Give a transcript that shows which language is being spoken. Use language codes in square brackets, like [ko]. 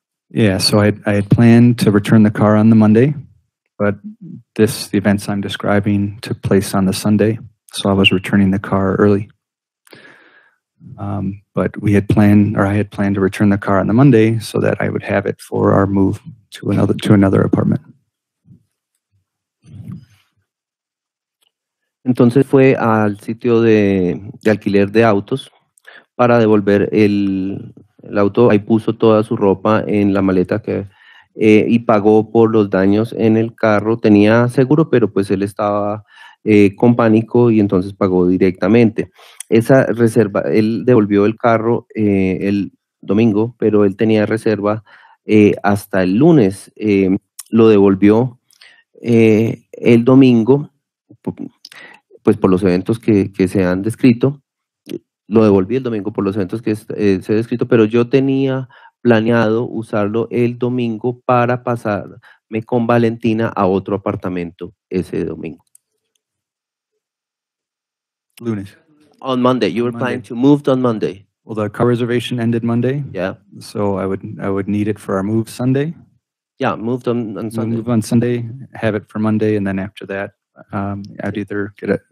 [en] Yeah, so I had planned to return the car on the Monday, but the events I'm describing took place on the Sunday. So I was returning the car early. But I had planned to return the car on the Monday so that I would have it for our move to another apartment. [es] Entonces fue al sitio de alquiler de autos para devolver el auto. Ahí puso toda su ropa en la maleta y pagó por los daños en el carro. Tenía seguro, pero pues él estaba con pánico y entonces pagó directamente. Esa reserva, él devolvió el carro el domingo, pero él tenía reserva hasta el lunes. Lo devolvió el domingo, pues por los eventos que se han descrito. Lo devolví el domingo por los eventos que se han descrito, pero yo tenía planeado usarlo el domingo para pasarme con Valentina a otro apartamento ese domingo. Lunes. [en] On Monday, you were planning to move on Monday. Well, the car reservation ended Monday. Yeah. So I would need it for our move Sunday. Yeah, moved on Sunday. Move on Sunday, have it for Monday, and then after that, I'd either get it.